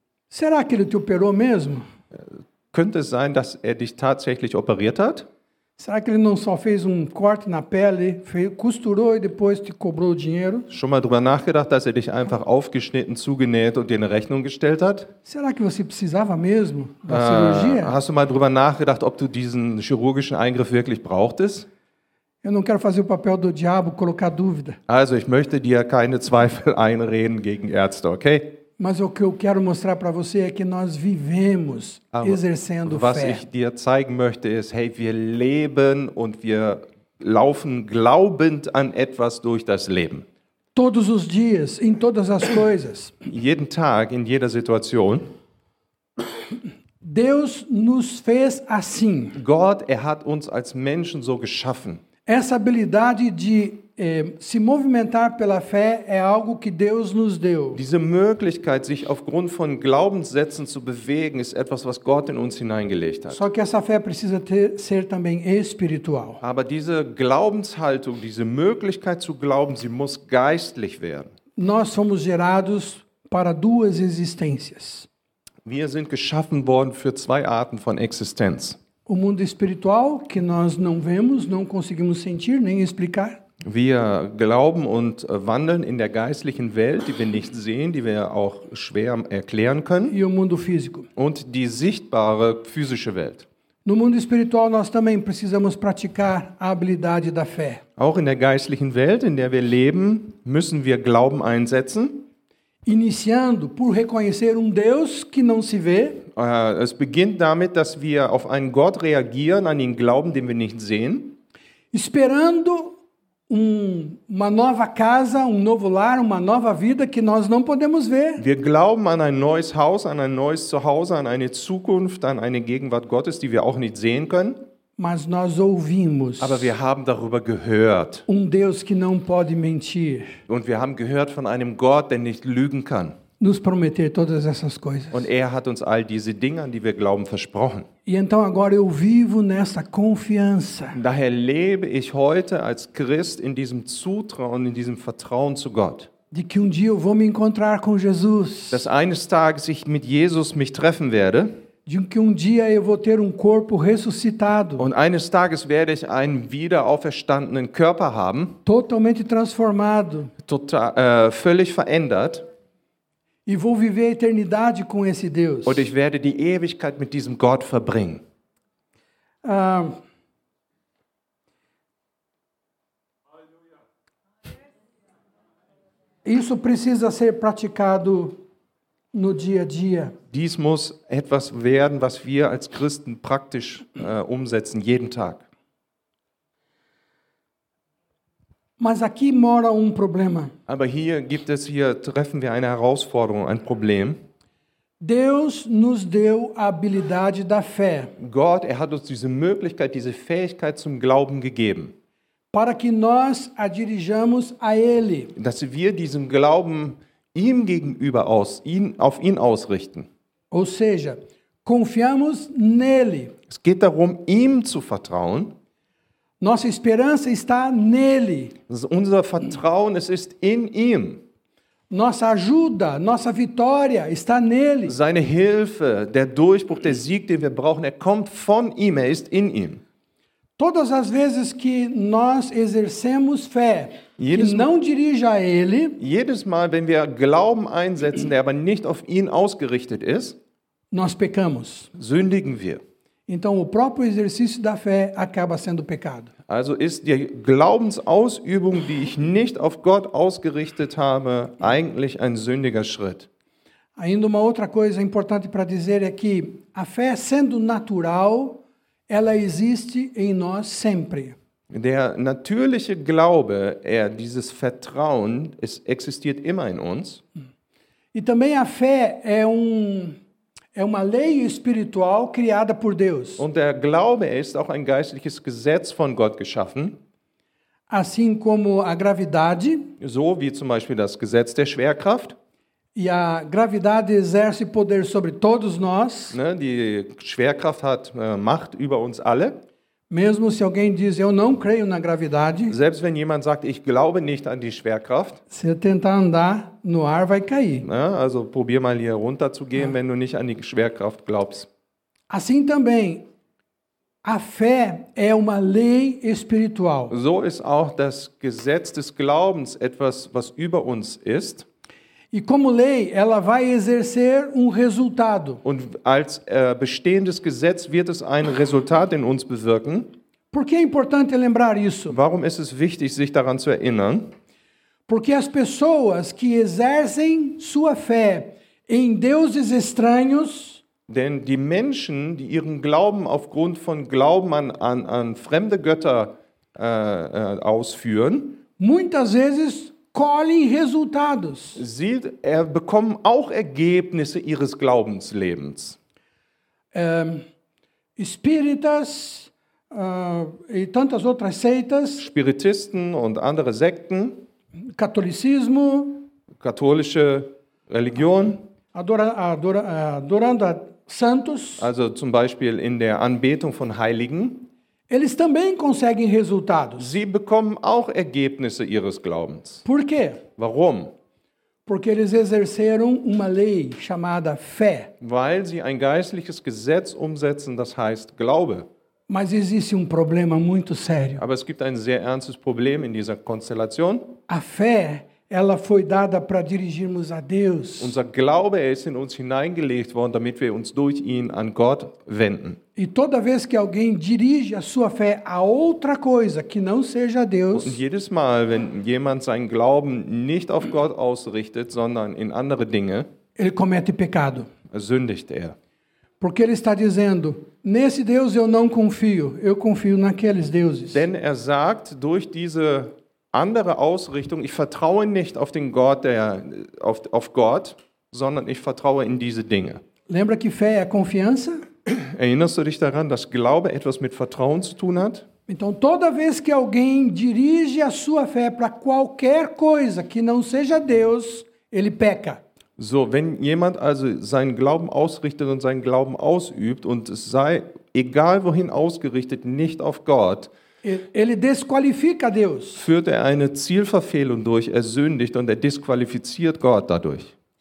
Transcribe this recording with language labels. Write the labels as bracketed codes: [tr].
[pt] Será que ele te operou mesmo? [de] Könnte es sein, dass er dich tatsächlich operiert hat? [pt] Será que ele não só fez corte na pele, costurou e depois te cobrou o dinheiro? [de] Schon mal drüber nachgedacht, dass er dich einfach aufgeschnitten, zugenäht und dir eine Rechnung gestellt hat? [pt] Será que você precisava mesmo da cirurgia? [de] Hast du mal drüber nachgedacht, ob du diesen chirurgischen Eingriff wirklich brauchtest? [pt] Eu não quero fazer o papel do diabo, colocar dúvida. [de] Also, ich möchte dir keine Zweifel einreden gegen Ärzte, okay? [pt] Mas o que eu quero mostrar para você é que nós vivemos exercendo fé. [de] Was ich dir zeigen möchte ist, hey, wir leben und wir laufen glaubend an etwas durch das Leben. [pt] Todos os dias, em todas as coisas. [de] Jeden Tag, in jeder Situation. [pt] Deus nos fez assim. [de] Gott, hat uns als Menschen so geschaffen. [pt] Essa habilidade de se movimentar pela fé é algo que Deus nos deu. [de] Diese Möglichkeit, sich aufgrund von Glaubenssätzen zu bewegen, ist etwas, was Gott in uns hineingelegt hat. [pt] Só que essa fé precisa ser também espiritual. [de] Aber diese Glaubenshaltung, diese Möglichkeit zu glauben, sie muss geistlich werden. [pt] Nós somos gerados para duas existências. [de] Wir sind geschaffen worden für zwei Arten von Existenz. [pt] O mundo espiritual, que nós não vemos, não conseguimos sentir, nem explicar. [de] Wir glauben und wandeln in der geistlichen Welt, die wir nicht sehen, die wir auch schwer erklären können. [pt] E o mundo físico. [de] Und die sichtbare physische Welt. [pt] No mundo espiritual nós também precisamos praticar a habilidade da fé. [de] Auch in der geistlichen Welt, in der wir leben, müssen wir Glauben einsetzen. [pt] Iniciando por reconhecer Deus que não se vê. [de] Es beginnt damit, dass wir auf einen Gott reagieren, an ihn glauben, den wir nicht sehen. [pt] Esperando uma nova casa, novo lar, uma nova vida que nós não podemos ver. [de] Wir glauben an ein neues Haus, an ein neues Zuhause, an eine Zukunft, an eine Gegenwart Gottes, die wir auch nicht sehen können. [pt] Mas nós ouvimos. [de] Aber wir haben darüber gehört. [pt] Deus que não pode mentir. [de] Und wir haben gehört von einem Gott, der nicht lügen kann. [pt] Nos prometer todas essas coisas. [de] Und hat uns all diese Dinge, an die wir glauben, versprochen. [pt] E então agora eu vivo nessa confiança. [de] Daher lebe ich heute als Christ in diesem Zutrauen, in diesem Vertrauen zu Gott. [pt] De que dia eu vou me encontrar com Jesus. [de] Dass eines Tages ich mit Jesus mich treffen werde. [pt] De que dia eu vou ter corpo ressuscitado. [de] Und eines Tages werde ich einen wieder auferstandenen Körper haben. [pt] Totalmente transformado. [de] Völlig verändert. [pt] E vou viver a eternidade com esse Deus. [de] Und ich werde die Ewigkeit mit diesem Gott verbringen. [pt] Isso precisa ser praticado no dia a dia. [de] Dies muss etwas werden, was wir als Christen praktisch umsetzen, jeden Tag. [pt] Mas aqui mora problema. [de] Aber hier gibt es, hier treffen wir eine Herausforderung, ein Problem. [pt] Deus nos deu a habilidade da fé. [de] Gott, hat uns diese Möglichkeit, diese Fähigkeit zum Glauben gegeben. [pt] Para que nós a dirijamos a Ele. [de] Dass wir diesen Glauben ihm gegenüber auf ihn ausrichten. [pt] Ou seja, confiamos nele. [de] Es geht darum, ihm zu vertrauen. [pt] Nossa esperança está nele. [de] Unser Vertrauen ist in ihm. [pt] Nossa ajuda, nossa vitória está nele. [de] Seine Hilfe, der Durchbruch, der Sieg, den wir brauchen, kommt von ihm, ist in ihm. [pt] Todas as vezes que nós exercemos fé, [de] jedes [pt] que não dirige a ele, [de] jedes Mal, wenn wir Glauben einsetzen, der aber nicht auf ihn ausgerichtet ist, [pt] nós pecamos. [de] Sündigen wir. [pt] Então o próprio exercício da fé acaba sendo pecado. [de] Also ist die Glaubensausübung, die ich nicht auf Gott ausgerichtet habe, eigentlich ein sündiger Schritt. [pt] Ainda uma outra coisa importante para dizer é que a fé sendo natural, ela existe em nós sempre. [de] Der natürliche Glaube, dieses Vertrauen, es existiert immer in uns. [pt] E também a fé é é uma lei espiritual criada por Deus. [de] Und der Glaube ist auch ein geistliches Gesetz von Gott geschaffen. [pt] Assim como a gravidade. [de] So wie zum Beispiel das Gesetz der Schwerkraft. [pt] E a gravidade exerce poder sobre todos nós. [de] Ne, die Schwerkraft hat Macht über uns alle. [pt] Mesmo se alguém diz, eu não creio na gravidade. [de] Selbst wenn jemand sagt, ich glaube nicht an die Schwerkraft. [pt] Se eu tentar andar no ar, vai cair. [de] Ne, also probier mal hier runter zu gehen, wenn du nicht an die Schwerkraft glaubst. [pt] Assim também, a fé é uma lei espiritual. [de] So ist auch das Gesetz des Glaubens etwas, was über uns ist. [pt] E como lei, ela vai exercer resultado. [de] Und als bestehendes Gesetz wird es ein Resultat in uns bewirken. [pt] Por que é importante lembrar isso? [de] Warum ist es wichtig, sich daran zu erinnern? [pt] Porque as pessoas que exercem sua fé em deuses estranhos, [de] denn die Menschen, die ihren Glauben aufgrund von Glauben an fremde Götter ausführen, [pt] muitas vezes colhem resultados. [de] Sie bekommen auch Ergebnisse ihres Glaubenslebens. [pt] Spiritas e tantas outras seitas. [de] Spiritisten und andere Sekten. [pt] Katholizismo. [de] Katholische Religion. [pt] Adorando a santos. [de] Also zum Beispiel in der Anbetung von Heiligen. [pt] Eles também conseguem resultados. [de] Sie bekommen auch Ergebnisse ihres Glaubens. [pt] Por quê? [de] Warum? [pt] Porque eles exerceram uma lei chamada fé. [de] Weil sie ein geistliches Gesetz umsetzen, das heißt Glaube. [pt] Mas existe problema muito sério. [de] Aber es gibt ein sehr ernstes Problem in dieser Konstellation. [pt] A fé, ela foi dada para dirigirmos a Deus. [de] Unser Glaube ist in uns hineingelegt worden, damit wir uns durch ihn an Gott wenden. [pt] E toda vez que alguém dirige a sua fé a outra coisa que não seja a Deus. [de] Und jedes Mal, wenn jemand seinen Glauben nicht auf Gott ausrichtet, sondern in andere Dinge, [pt] ele comete pecado. [de] Sündigt er. [pt] Porque ele está dizendo, nesse Deus eu não confio, eu confio naqueles deuses. [de] Denn sagt, durch diese andere Ausrichtung, ich vertraue nicht auf den Gott, auf Gott, sondern ich vertraue in diese Dinge. [pt] Lembra que fé é confiança? [de] Erinnerst du dich daran, dass Glaube etwas mit Vertrauen zu tun hat? [pt] Então toda vez que alguém dirige a sua fé para qualquer coisa que não seja Deus, ele peca. [de] So, wenn jemand also seinen Glauben ausrichtet und seinen Glauben ausübt und es sei egal wohin ausgerichtet, nicht auf Gott. [pt] Ele desqualifica Deus. [de] Führt eine Zielverfehlung durch, sündigt und disqualifiziert Gott dadurch.